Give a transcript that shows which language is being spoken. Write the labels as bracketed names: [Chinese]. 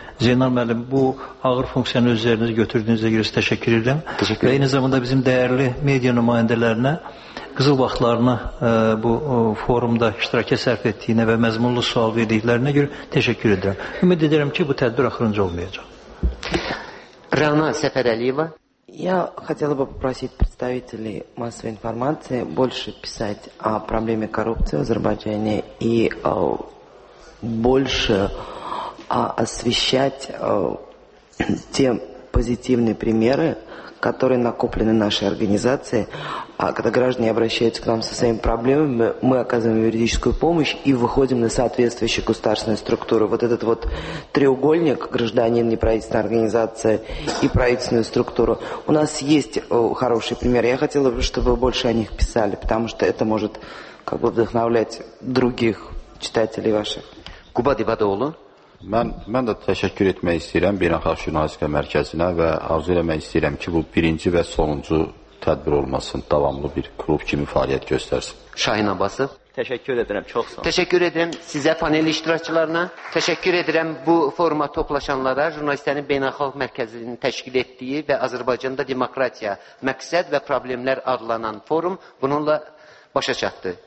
[Azerbaijani] Zeynal müəllim, bu ağır funksiyanı öz üzərinizə götürdüyünüzə görə sizə təşəkkür edirəm. Təşəkkür edirəm. Və eyni zamanda bizim dəyərli media nümayəndələrinə qızıl vaxtlarını bu forumda iştiraka sərf etdiyinə və məzmunlu sual verdiklərinə görə təşəkkür edirəm. Ümid edirəm ki, bu tədbir axırıncı olmayacaq. Rana Səfərəliyeva. [Russian] Я хотела бы попросить представителей массовой информации больше писать о проблеме коррупции в Азербайджане и больше освещать те позитивные примеры, которые накоплены нашей организацией. А когда граждане обращаются к нам со своими проблемами, мы оказываем юридическую помощь и выходим на соответствующие государственные структуры. Вот этот вот треугольник, гражданин, неправительственная организация и правительственную структуру, у нас есть хороший пример. Я хотела бы, чтобы вы больше о них писали, потому что это может как бы вдохновлять других читателей ваших. Куба Дивадоулу. [Azerbaijani] Mən də təşəkkür etmək istəyirəm Beynəlxalq Jurnalistikə Mərkəzinə və arzu eləmək istəyirəm ki, bu birinci və sonuncu tədbir olmasın, davamlı bir klub kimi fəaliyyət göstərsin. Şahin Abbasov. Təşəkkür edirəm, çox sağ olun. Təşəkkür edirəm sizə, panel iştirakçılarına. Təşəkkür edirəm bu foruma toplaşanlara, Jurnalistlərin Beynəlxalq Mərkəzinin təşkil etdiyi və Azərbaycanda demokratiya, məqsəd və problemlər adlanan forum bununla başa çatdı.